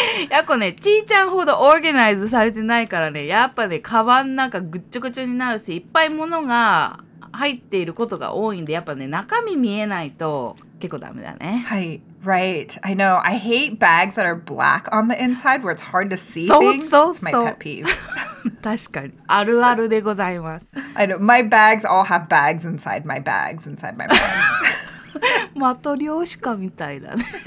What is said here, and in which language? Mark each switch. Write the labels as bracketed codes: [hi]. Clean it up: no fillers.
[ja] やっこね、ちーちゃんほどオーガナイズされてないからね、やっぱね、カバンなんかぐっちょぐちょになるし、いっぱい物が入っていることが多いんで、やっぱね、中身見えないと結構ダメだね。はい、 [en] right. I know. I hate bags that are black on the inside where it's hard to see things. [ja] そうそうそう。 [en] It's my pet peeve. [ja] 確かに。あるあるでございます。 [en] I know. My bags all have bags inside my bags inside my bags. [ja] マトリョーシカみたいだね。